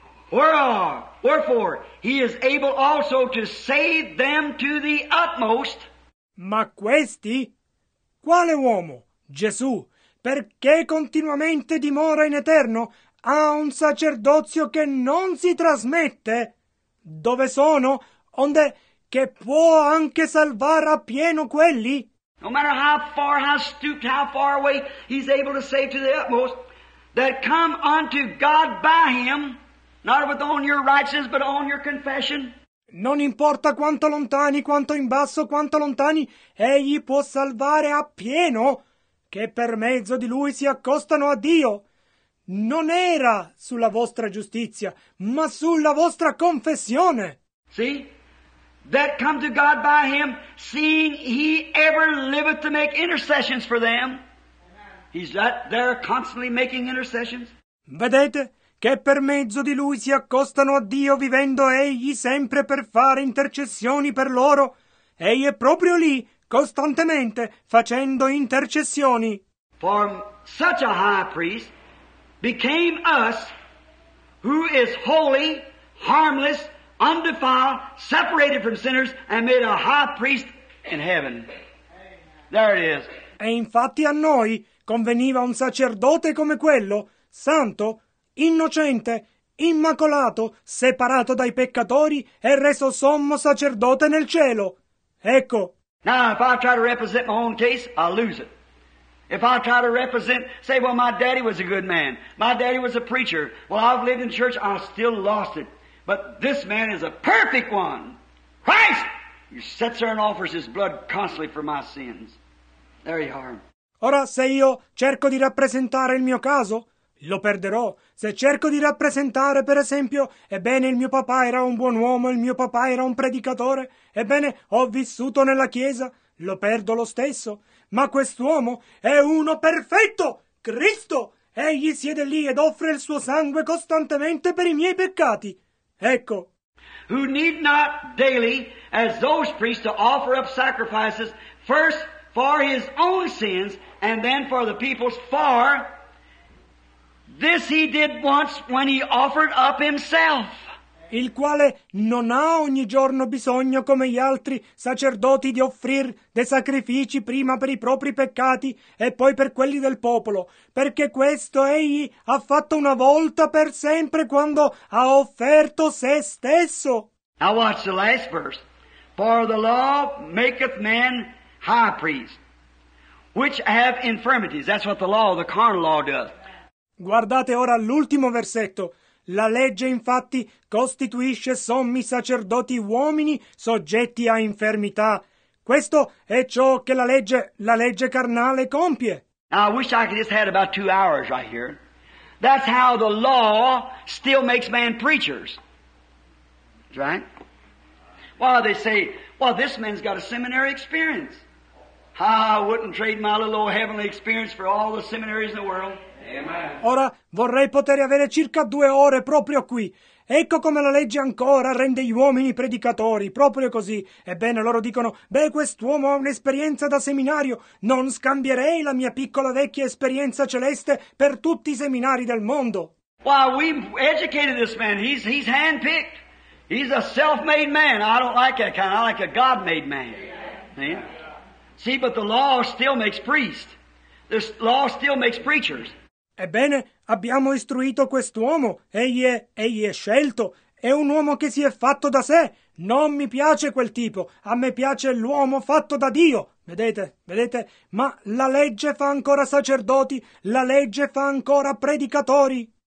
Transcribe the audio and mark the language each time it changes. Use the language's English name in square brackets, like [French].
[English] Wherefore, he is able also to save them to the utmost. [Italian] Ma questi? Quale uomo? Gesù. Perché continuamente dimora in eterno? Ha un sacerdozio che non si trasmette? Dove sono? Onde che può anche salvare a pieno quelli? [English] No matter how far, how stooped, how far away, he's able to save to the utmost that come unto God by him, not with on your righteousness, but on your confession. [Italian] Non importa quanto lontani, quanto in basso, quanto lontani, egli può salvare a pieno che per mezzo di lui si accostano a Dio. Non era sulla vostra giustizia, ma sulla vostra confessione. Sì? [English] That come to God by him, seeing he ever liveth to make intercessions for them. He's that there constantly making intercessions. [Italian] Vedete che per mezzo di lui si accostano a Dio, vivendo egli sempre per fare intercessioni per loro. Egli è proprio lì, costantemente, facendo intercessioni. [English] For such a high priest, became us who is holy, harmless, undefiled, separated from sinners, and made a high priest in heaven. There it is. [Italian] E infatti a noi conveniva un sacerdote come quello, santo, innocente, immacolato, separato dai peccatori e reso sommo sacerdote nel cielo. Ecco. [English] Now, if I try to represent my own case, I'll lose it. If I try to represent, say, well, my daddy was a good man, my daddy was a preacher, well, I've lived in church, I still lost it. But this man is a perfect one. Christ! He sits there and offers his blood constantly for my sins. There you are. [Italian] Ora, se io cerco di rappresentare il mio caso, lo perderò. Se cerco di rappresentare, per esempio, ebbene, il mio papà era un buon uomo, il mio papà era un predicatore, ebbene, ho vissuto nella chiesa, lo perdo lo stesso. Ma quest'uomo è uno perfetto, Cristo! Egli siede lì ed offre il suo sangue costantemente per i miei peccati. Ecco. [English] Who need not daily, as those priests, to offer up sacrifices, first for his own sins, and then for the people's, for this he did once when he offered up himself. [Italian] Il quale non ha ogni giorno bisogno, come gli altri sacerdoti, di offrir dei sacrifici prima per i propri peccati e poi per quelli del popolo, perché questo egli ha fatto una volta per sempre quando ha offerto se stesso. [English] Now watch the last verse. For the law maketh man high priest, which have infirmities. That's what the law, the carnal law, does. [Italian] Guardate ora l'ultimo versetto. La legge, infatti, costituisce sommi sacerdoti uomini soggetti a infermità. Questo è ciò che la legge carnale compie. [English] Now, I wish I could just had about 2 hours right here. That's how the law still makes man preachers. Right? Well, they say, well, this man's got a seminary experience. I wouldn't trade my little old heavenly experience for all the seminaries in the world. [Italian] Ora vorrei poter avere circa 2 ore proprio qui. Ecco come la legge ancora rende gli uomini predicatori, proprio così. Ebbene, loro dicono, beh, quest'uomo ha un'esperienza da seminario, non scambierei la mia piccola vecchia esperienza celeste per tutti i seminari del mondo. [English] Well, we educated this man, he's handpicked, he's a self-made man. I don't like that kind, I like a God-made man. Yeah. See, but the law still makes priests. The law still makes preachers. [Italian] Ebbene, abbiamo istruito quest'uomo. Egli è scelto. È un uomo che si è fatto da sé. Non mi piace quel tipo. A me piace l'uomo fatto da Dio. Vedete? Ma la legge fa ancora sacerdoti. La legge fa ancora predicatori.